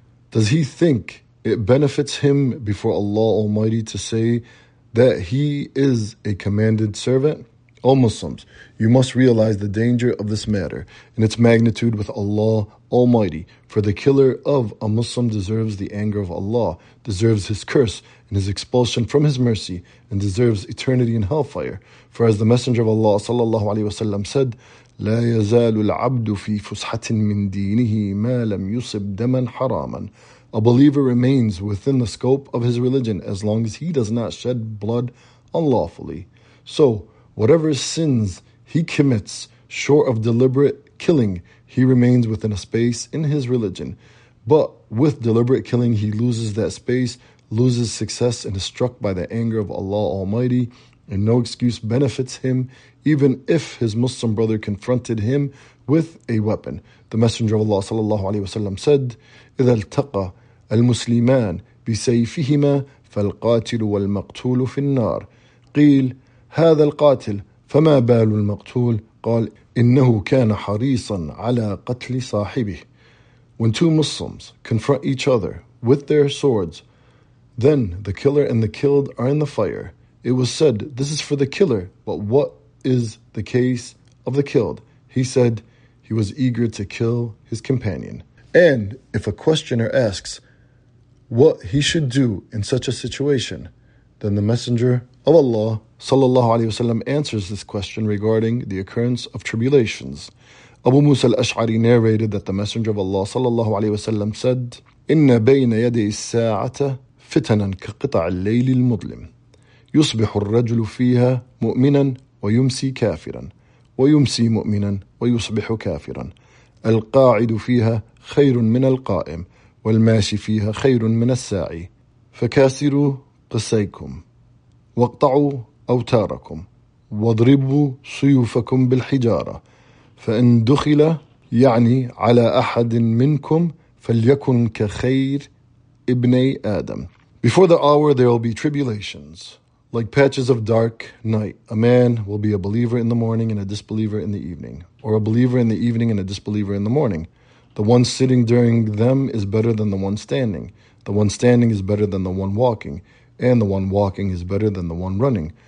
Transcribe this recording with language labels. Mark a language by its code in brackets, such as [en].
[en] Does he think it benefits him before Allah Almighty to say that he is a commanded servant? O Muslims, you must realize the danger of this matter and its magnitude with Allah Almighty. For the killer of a Muslim deserves the anger of Allah, deserves his curse and his expulsion from his mercy, and deserves eternity in hellfire. For as the Messenger of Allah sallallahu alaihi wasallam said, [ar] لا يزال العبد في فسحة من دينه ما لم يصب دما حراما. [en] A believer remains within the scope of his religion as long as he does not shed blood unlawfully. So, whatever sins he commits, short of deliberate killing, he remains within a space in his religion. But with deliberate killing, he loses that space, loses success, and is struck by the anger of Allah Almighty, and no excuse benefits him, even if his Muslim brother confronted him with a weapon. The Messenger of Allah sallallahu alaihi wasallam said, [ar] إذا التقى المسلمان بسيفهما فالقاتل والمقتول في النار قيل هذا القاتل فما بال المقتول قال إنه كان حريصا على قتل صاحبه. [en] When two Muslims confront each other with their swords, then the killer and the killed are in the fire. It was said, this is for the killer, but what is the case of the killed? He said, he was eager to kill his companion. And if a questioner asks what he should do in such a situation, then the Messenger of Allah sallallahu alaihi wasallam answers this question regarding the occurrence of tribulations. Abu Musa al-Ash'ari narrated that the Messenger of Allah sallallahu alaihi wasallam said, [ar] إِنَّ بَيْنَ يَدَيِ السَّاعَةَ فِتَنًا كَقِطَعَ اللَّيْلِ الْمُظْلِمِ. يصبح الرجل فيها مؤمنا ويمسي كافرا، ويمسي مؤمنا ويصبح كافرا. القاعد فيها خير من القائم، والماشي فيها خير من الساعي. فكاسروا قسيكم واقطعوا أوتاركم واضربوا سيوفكم بالحجارة، فإن دخل يعني على أحد منكم فليكن كخير ابني آدم. [en] Before the hour there will be tribulations, like patches of dark night. A man will be a believer in the morning and a disbeliever in the evening, or a believer in the evening and a disbeliever in the morning. The one sitting during them is better than the one standing. The one standing is better than the one walking, and the one walking is better than the one running.